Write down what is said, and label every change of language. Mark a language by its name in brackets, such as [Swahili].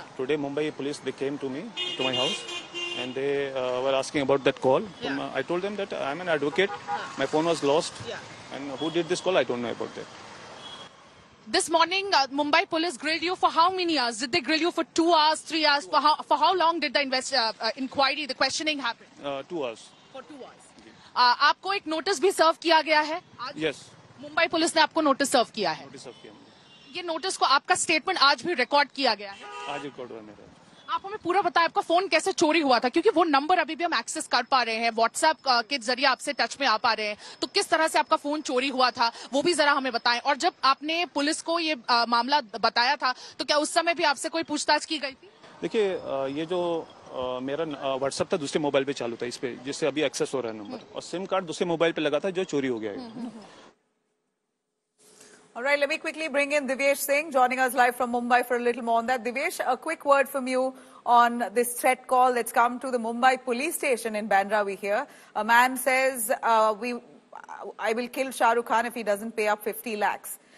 [English] Today Mumbai police, they came to me, to my house, and they were asking about that call. I told them that I'm an advocate. My phone was lost. And who did this call, I don't know about that. This morning, Mumbai police grilled you for how many hours? Did they grill you for 2 hours, 3 hours? For how long did the inquiry, the questioning happen? 2 hours. For 2 hours. [Hindi] आपको एक notice भी serve किया गया है? Yes. Mumbai police ने आपको notice serve किया है? किया. ये notice को आपका statement आज भी record किया गया है? आज record हुआ मेरा. आप हमें पूरा बताएं आपका फोन कैसे चोरी हुआ था, क्योंकि वो नंबर अभी भी हम एक्सेस कर पा रहे हैं, व्हाट्सएप के जरिए आपसे टच में आ पा रहे हैं, तो किस तरह से आपका फोन चोरी हुआ था वो भी जरा हमें बताएं. और जब आपने पुलिस को ये मामला बताया था, तो क्या उस समय भी आपसे कोई पूछताछ की गई थी? देखिए, ये जो मेरा व्हाट्सएप था, दूसरे मोबाइल पे चालू था, इस पे जिससे अभी एक्सेस हो रहा है नंबर, और सिम कार्ड दूसरे मोबाइल पे लगा था जो चोरी हो गया है. [English] All right, let me quickly bring in Divyesh Singh, joining us live from Mumbai for a little more on that. Divyesh, a quick word from you on this threat call that's come to the Mumbai police station in Bandra, we hear. A man says, I will kill Shah Rukh Khan if he doesn't pay up 50 lakhs.